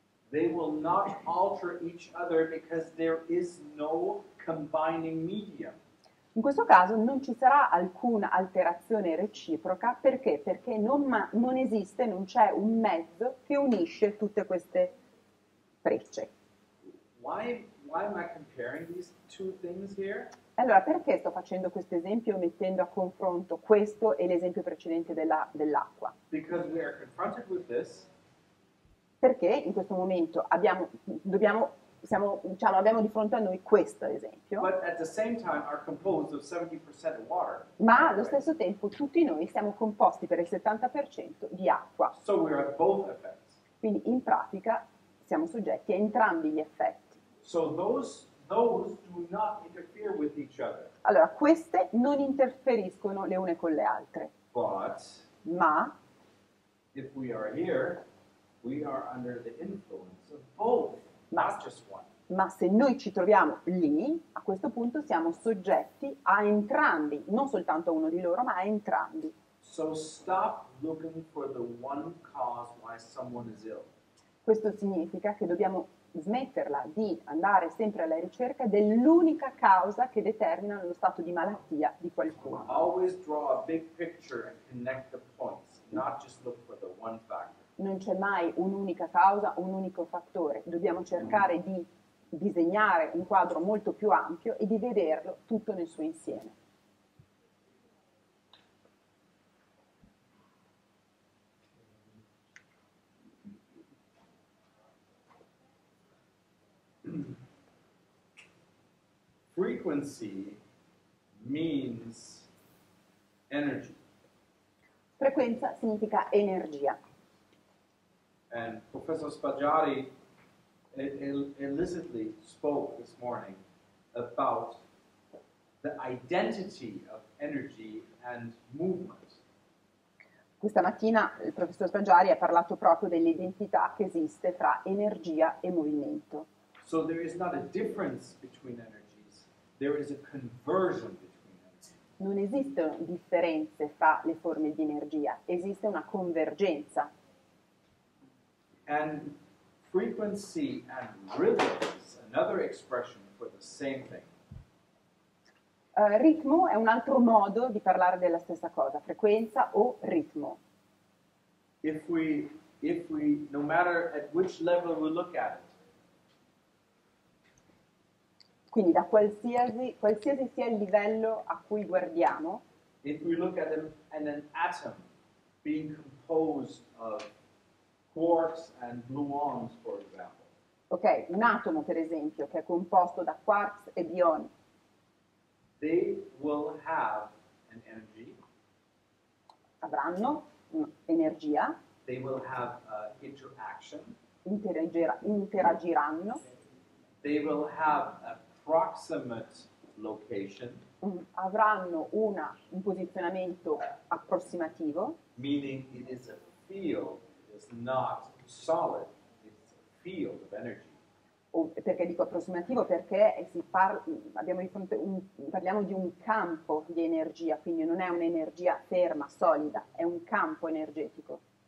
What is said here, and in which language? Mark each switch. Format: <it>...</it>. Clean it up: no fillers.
<en>They will not alter each other because there is no combining medium.</en> <it>In questo caso non ci sarà alcuna alterazione reciproca. Perché? Perché non esiste, non c'è un mezzo che unisce tutte queste frecce.</it> <en>Why am I comparing these two things here?</en> <it>Allora, perché sto facendo questo esempio mettendo a confronto questo e l'esempio precedente dell'acqua?</it> <en>Because we are confronted with this.</en> <it>Perché in questo momento abbiamo di fronte a noi questo esempio,</it> <en>But at the same time are composed of 70% water,</en> <it>ma allo</it> <en>right?</en> <it>stesso tempo tutti noi siamo composti per il 70% di acqua.</it> <en>So we are both effects.</en> <it>Quindi in pratica siamo soggetti a entrambi gli effetti.</it> <en>So those do not interfere with each other.</en> <it>Allora, queste non interferiscono le une con le altre,</it> <en>But</en> <it>ma</it> <en>if we are here, we are under the influence of both, not just one.</en> <it>se noi ci troviamo lì, a questo punto siamo soggetti a entrambi, non soltanto uno di loro, ma a entrambi.</it> <en>So stop looking for the one cause why someone is ill.</en> <it>Questo significa che dobbiamo smetterla di andare sempre alla ricerca dell'unica causa che determina lo stato di malattia di qualcuno.</it> <en>Always draw a big picture and connect the points, not just look for the one factor.</en> <it>Non c'è mai un'unica causa, un unico fattore. Dobbiamo cercare di disegnare un quadro molto più ampio e di vederlo tutto nel suo insieme.</it> <en>Frequency means energy.</en> <it>Frequenza significa energia.</it> <en>And Professor Spaggiari illicitly spoke this morning about the identity of energy and movement.</en> <it>Questa mattina il professor Spaggiari ha parlato proprio dell'identità che esiste tra energia e movimento.</it> <en>So there is not a difference between energies, there is a conversion between</en> <it>Non esistono differenze fra le forme di energia, esiste una convergenza.</it> <en>energies. And frequency and rhythm is another expression for the same thing.</en> <it>Ritmo è un altro modo di parlare della stessa cosa, frequenza o ritmo.</it> <en>If we, no matter at which level we look at it,</en> <it>Quindi da qualsiasi sia il livello a cui guardiamo,</it> <en>if we look at an atom being composed of quarks and gluons, for example,</en> <it>ok, un atomo per esempio che è composto da quarks e bioni,</it> <en>they will have an energy.</en> <it>avranno un'energia,</it> <en>They will have interaction.</en> <it>interagiranno.</it> <en>They will have approximate location,</en> <it>Avranno un posizionamento approssimativo.</it> <en>meaning it is a field, it is not solid, it's a field of energy.</en> <it>Perché dico approssimativo? Perché abbiamo di fronte parliamo di un campo di energia, quindi non è un'energia ferma, solida, è un campo energetico.</it>